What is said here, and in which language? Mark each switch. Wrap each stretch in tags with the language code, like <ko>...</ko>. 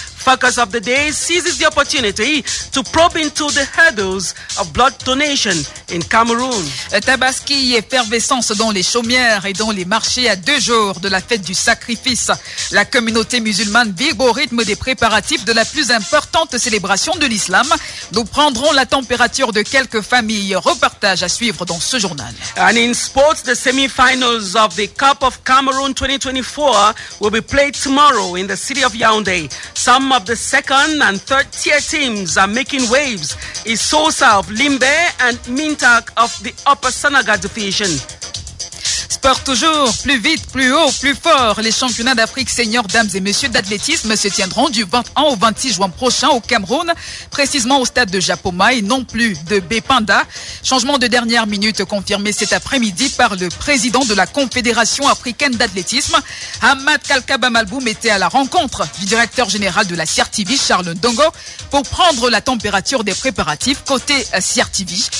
<en>Focus of the day seizes the opportunity to probe into the hurdles of blood donation in Cameroon.</en> <fr>Tabaski, effervescence dans les chaumières et dans les marchés à deux jours de la fête du sacrifice. La communauté musulmane vibre au rythme des préparatifs de la plus importante célébration de l'islam. Nous prendrons la température de quelques familles. Reportage à suivre dans ce journal.</fr> <en>And in sports, the semi-finals of the Cup of Cameroon 2024 will be played tomorrow in the city of Yaoundé. Some of the second and third tier teams are making waves. Isosa of Limbe and Mintak of the Upper Sanaga Division.</en> <fr>Sport toujours, plus vite, plus haut, plus fort. Les championnats d'Afrique seniors, dames et messieurs d'athlétisme se tiendront du 21 au 26 juin prochain au Cameroun, précisément au stade de Japoma et non plus de Bépanda. Changement de dernière minute confirmé cet après-midi par le président de la Confédération africaine d'athlétisme, Hamad Kalkaba Malboum, était à la rencontre du directeur général de la CRTV, Charles Ndongo, pour prendre la température des préparatifs côté CRTV.</fr>